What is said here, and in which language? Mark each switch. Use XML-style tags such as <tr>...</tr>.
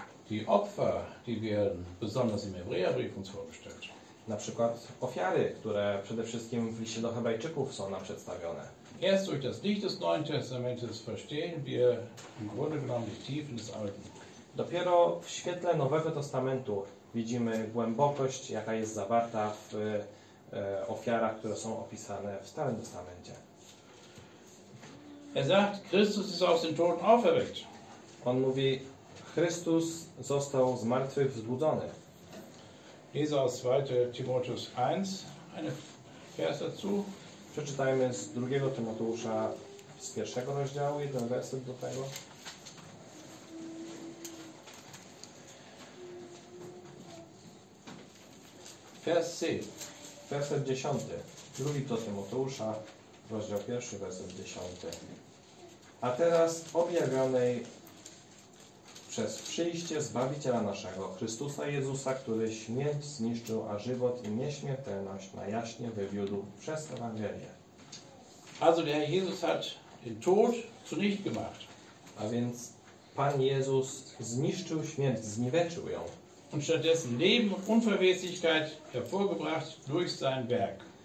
<de>Die Opfer, die werden besonders im Hebräerbrief uns vorgestellt.</de> <pl>Na przykład ofiary, które przede wszystkim w liście do Hebrajczyków są nam przedstawione.</pl> <de>Erst durch das Licht des Neuen Testamentes verstehen wir im Grunde genommen die Tiefen des Alten.</de> <pl>Dopiero w świetle Nowego Testamentu widzimy głębokość, jaka jest zawarta w ofiarach, które są opisane w Starym Testamencie.</pl> <de>Er sagt, Christus ist aus den Toten auferweckt.</de> <pl>On mówi, Chrystus został z martwych wzbudzony.</pl> <de>Lese aus 2. Timotheus 1 einen Vers dazu.</de> <pl>Przeczytajmy z 2. Timoteusza z 1. rozdziału jeden werset do tego.</pl> <de>Vers 10.</de> <pl>Werset 10. 2. Timoteusza, rozdział 1, werset 10. A teraz objawionej przez przyjście Zbawiciela naszego, Chrystusa Jezusa, który śmierć zniszczył, a żywot i nieśmiertelność na jaśnie wywiódł przez Ewangelię.</pl> <de>Also der Jesus hat den Tod zunicht gemacht.</de> <pl>A więc Pan Jezus zniszczył śmierć, zniweczył ją.</pl> <de>Und stattdessen Leben und Unverwesigkeit hervorgebracht durch sein Werk.</de>